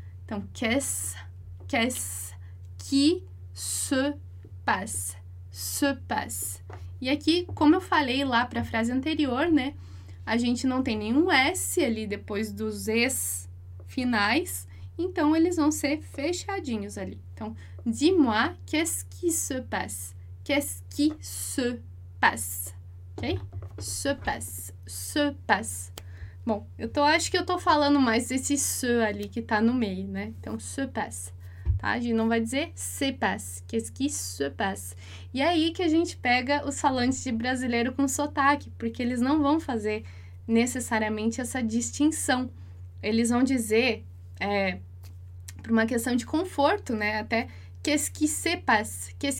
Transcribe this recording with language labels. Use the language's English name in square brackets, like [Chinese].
[French] Então, qu'est-ce qui se passe? [Portuguese] E aqui, como eu falei lá para a frase anterior, né? A gente não tem nenhum S ali depois dos es finais, então eles vão ser fechadinhos ali. [French] Então, dis-moi, qu'est-ce qui se passe? Qu'est-ce qui se passe? Ok? Se passe. [Portuguese] Bom, acho que eu tô falando mais desse se ali que tá no meio, né? Então, [French] se passe. [Portuguese] Tá? A gente não vai dizer [French] se passe. Qu'est-ce qui se passe? [Portuguese] E aí que a gente pega os falantes de brasileiro com sotaque, porque eles não vão fazer necessariamente essa distinção. Eles vão dizer, por uma questão de conforto, né? [French] Até, qu'est-ce qui se passe?